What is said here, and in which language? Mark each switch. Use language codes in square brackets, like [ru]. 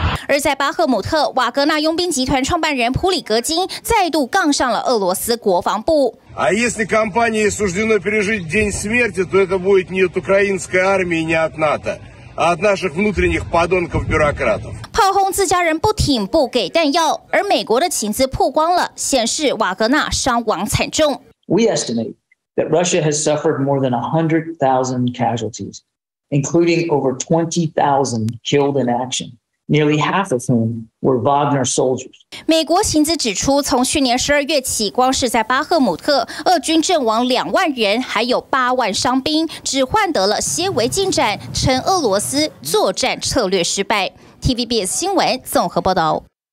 [zh] 而在巴赫姆特，瓦格纳佣兵集团创办人普里格金再度杠上了俄罗斯国防部。 [ru] А если компании суждено пережить день смерти, то это будет не от украинской армии, не от НАТО, а от наших внутренних подонков-бюрократов. [zh] 炮轰自家人不挺不给弹药，而美国的情资曝光了，显示瓦格纳伤亡惨重。 [en] We estimate that Russia has suffered more than 100,000 casualties, including over 20,000 killed in action. Nearly half of whom were Wagner soldiers. [zh] 美国情资指出，从去年十二月起，光是在巴赫姆特，俄军阵亡两万人，还有八万伤兵，只换得了些微进展，称俄罗斯作战策略失败。 TVBS 新闻综合报道。